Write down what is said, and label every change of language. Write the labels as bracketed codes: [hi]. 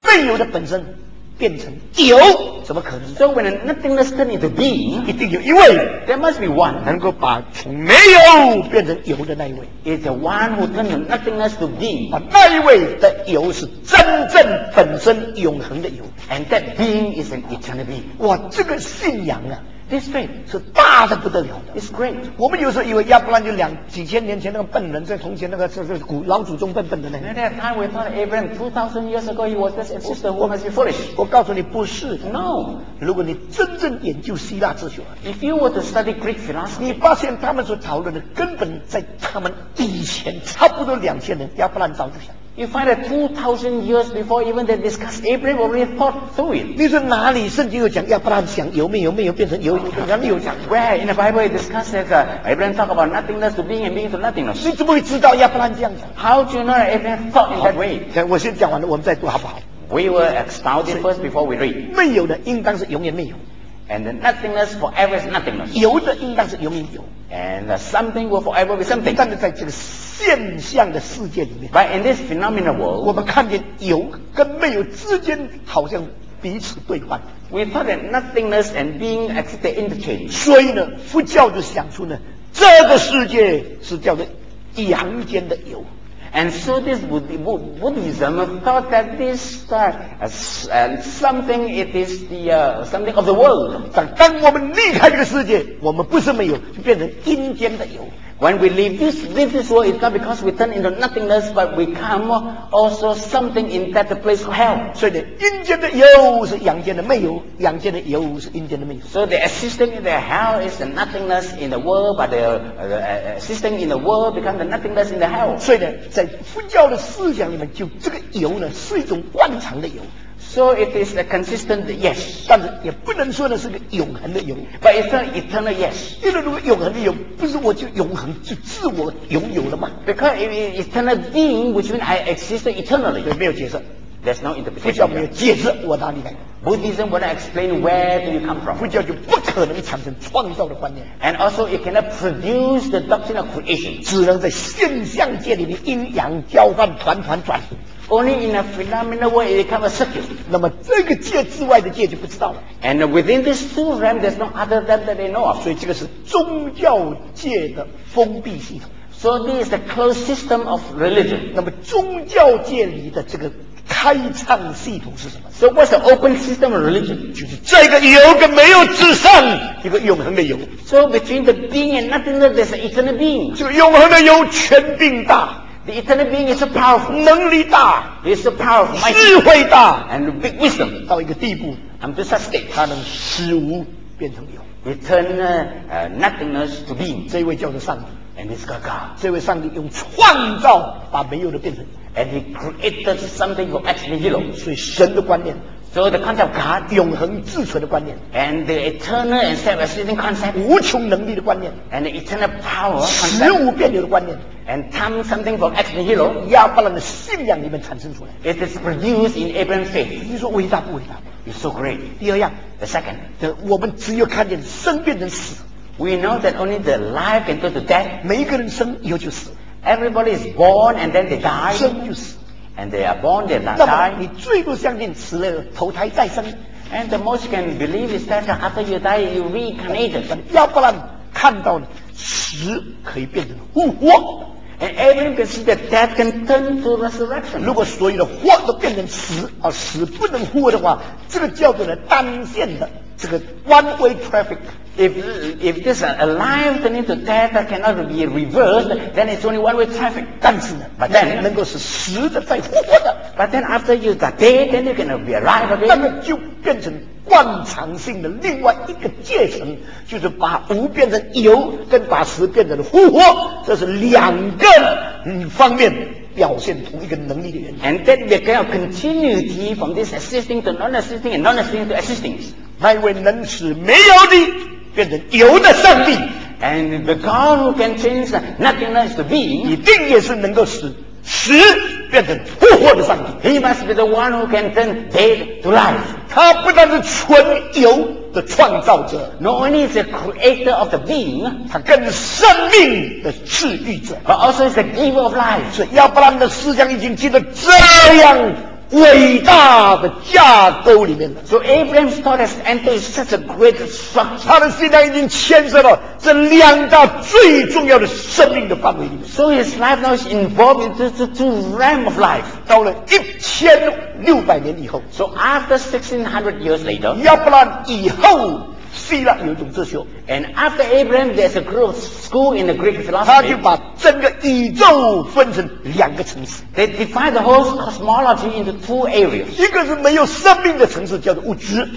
[zh] 笨牛的本身变成牛，怎么可能？ [en] So when nothing is turning to be， [zh] 一定有一位 [en] ，there must be one， [zh] 能够把从没有变成有的那一位。 [en] It's the one who turned nothingness to be， [zh] 把那一位的有是真正本身永恒的有。 [en] And that being is an eternal being。 [zh] 哇，这个信仰啊！ [en] This faith [zh] 是大的不得了的。 [en] It's great。 [zh] 我们有时候以为，要不然就两几千年前那个笨人，在从前那个是古老祖宗笨笨的那个。 [en] And at that time we thought Abraham 2,000 years ago he was just a system who must be foolish。 [zh] 我告诉你不是。 [en] No。 [zh] 如果你真正研究希腊哲学 [en] ，If you were to study Greek philosophy， [zh] 你发现他们所讨论的根本在他们以前差不多两千年，要不然早就想。 [en] You find that 2,000 years before even they discuss Abraham already thought through it. [zh] 你说哪里圣经有讲亚伯兰想有没有没有变成有哪里有讲 [en] Where in the Bible it discusses that Abraham talk about nothingness to being and being to nothingness. [zh] 你怎么会知道亚伯兰这样讲 [en] How do you know Abraham thought in that way? [zh] 我先讲完了我们再读好不好 [en] We were astounded first before we read. [zh] 没有的应当是永远没有 [en] And the nothingness forever is nothingness. [zh] 有的应当是永远有 [en] And something will forever be something. [zh] 但是在这个现象的世界里面 [en] But in this phenomenal world [zh] 我们看见有跟没有之间好像彼此对换 [en] We thought that nothingness and being exist interchange [zh] 所以呢佛教就想出呢这个世界是叫做阳间的有 [en] And so this Buddhism thought that this something it is the something of the world [zh] 当我们离开这个世界我们不是没有就变成阴间的有 [en] When we leave this world, it's not because we turn into nothingness, but we come also something in that place called hell. [zh] 所以阴间的有是阳间的没有，阳间的有是阴间的没有。 [en] So the existing in the hell is the nothingness in the world, but the existing in the world becomes the nothingness in the hell. [zh] 所以呢，在佛教的思想里面，就这个有呢是一种惯常的有。 [en] So it is a consistent yes， [zh] 但是也不能说的是个永恒的有。 [en] But it's an eternal yes， [zh] 因为如果永恒的有，不是我就永恒就自我拥有了吗 [en] ？Because it is eternal being， which means I exist eternally， [zh] 对，没有解释。 [en] There's no interpretation。 [zh] 佛教没有解释我哪里来。 [en] Buddhism will not explain where do you come from。 [zh] 佛教就不可能产生创造的观念。 [en] And also it cannot produce the doctrine of creation， [zh] 只能在现象界里面阴阳交换团团转。 [en] Only in a phenomenal way, it becomes a circuit. [zh] 那么这个界之外的界就不知道了。 [en] And within these two realms, there's no other realm that they know of. [zh] 所以这个是宗教界的封闭系统。 [en] So this is the closed system of religion. [zh] 那么宗教界里的这个开创系统是什么 [en] ？So what's the open system of religion? [zh] 就是这个有跟没有之上，一个永恒的有。 [en] So between the being and nothing, there's an eternal being. [zh] 这个永恒的有，权柄大。 [en] The eternal being is a powerful [zh] 能力大 [en] It's a powerful [zh] 智慧大 [en] And big wisdom [zh] 到一个地步 [en] And to such state [zh] 它能使无变成有 [en] It turn nothingness to being [zh] 这位叫做上帝 [en] And it's God [zh] 这位上帝用创造把没有的变成 [en] And he created something from ex nihilo [zh] 所以神的观念 [en] So the concept of God [zh] 永恒自存的观念 [en] And the eternal and self-existing concept [zh] 无穷能力的观念 [en] And the eternal power [zh] 使无变有的观念 [en] And turn something from ex nihilo, [zh] 亚伯兰的信仰里面产生出来。 [en] It is produced in Abraham's faith. [zh] 你说伟大不伟大 [en] ？It's so great. [zh] 第二样 [en] ，the second， [zh] 我们只有看见生变成死。 [en] We know that only the life can turn to death. [zh] 每一个人生以后就死。 [en] Everybody is born and then they die. [zh] 生就死。 [en] And they are born, they die. [zh] 那么你最不相信死了投胎再生 [en] ？And the most you can believe is that after you die, you reincarnate. [zh] 亚伯兰看到死可以变成复活。 [en] And everyone can see that death can turn to resurrection. [zh] 如果所有的活都变成死，而死不能活的话，这个叫做单线的这个 [en] one way traffic. If this alive turning to death that cannot be reversed, then it's only one way traffic. [zh] 但是呢 [en] ，But then [zh] 能够是死的再活的。 [en] But then after you are dead, then you cannot be alive again. [zh] 那么就变成惯常性的另外一个阶层，就是把无变成有，跟把死变成复活，这是两个方面表现同一个能力的原因。 [en] And then we can have continuity from this existing to non-existing and non-existing to existing. [zh] 那位能使没有的变成有的上帝 [en] ，And the God who can change nothingness to being， [zh] 一定也是能够使死变成复活的上帝。 [en] He must be the one who can turn dead to life。 [zh] 他不但是纯有的创造者 [en] ，Not only is the creator of the being， [zh] 他更是生命的治愈者 [en] ，But also is the giver of life。 [zh] 所以亚伯兰的思想已经进入这样伟大的架构里面的。 [en] So Abraham's thought has entered such a great structure. [zh] 他的信仰已经牵涉到这两大最重要的生命的范围里面。 [en] So his life now is involved in the two realm of life. [zh] 到了1600年以后。 [en] So after 1600 years later, [zh] 亚伯兰以后。希腊有一种哲学 [en] ，and after Abraham, there's a group school in the Greek philosophy. [zh] 他就把整个宇宙分成两个层次。 [en] They divide the whole cosmology into two areas. [zh] 一个是没有生命的层次，叫做物质